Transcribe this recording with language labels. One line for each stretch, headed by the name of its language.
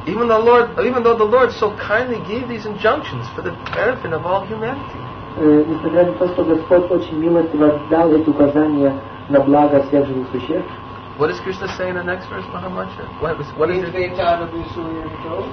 English: Even though the Lord so kindly gave these injunctions for the benefit of all humanity.
Russian: Несмотря на то, что Господь очень милостиво дал эти указания на благо всех живых существ.
English: What does Krishna say in the next verse, Mahamantra? What is it?